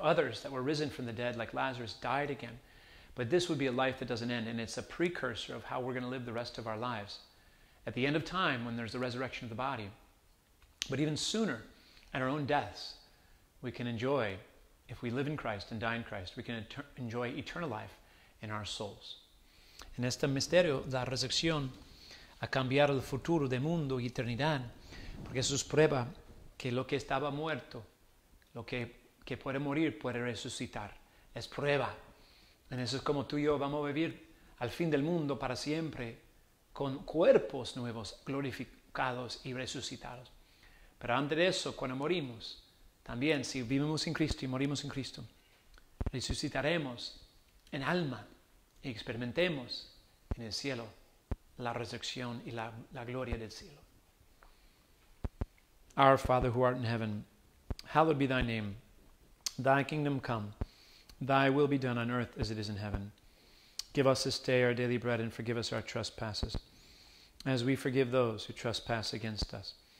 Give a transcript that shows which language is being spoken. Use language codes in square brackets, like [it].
[en] Others that were risen from the dead, like Lazarus, died again. But this would be a life that doesn't end, and it's a precursor of how we're going to live the rest of our lives. At the end of time, when there's the resurrection of the body, but even sooner, at our own deaths, we can enjoy, if we live in Christ and die in Christ, we can enjoy eternal life in our souls. [es] en este misterio de la resurrección a cambiar el futuro del mundo y eternidad, porque eso es prueba que lo que estaba muerto, lo que puede morir puede resucitar, es prueba. En eso es como tú y yo vamos a vivir al fin del mundo para siempre con cuerpos nuevos, glorificados y resucitados. Pero antes de eso, cuando morimos, también si vivimos en Cristo y morimos en Cristo, resucitaremos en alma y experimentemos en el cielo la resurrección y la gloria del cielo. [en] Our Father who art in heaven, hallowed be thy name. Thy kingdom come. Thy will be done on earth as it is in heaven. Give us this day our daily bread and forgive us our trespasses as we forgive those who trespass against us.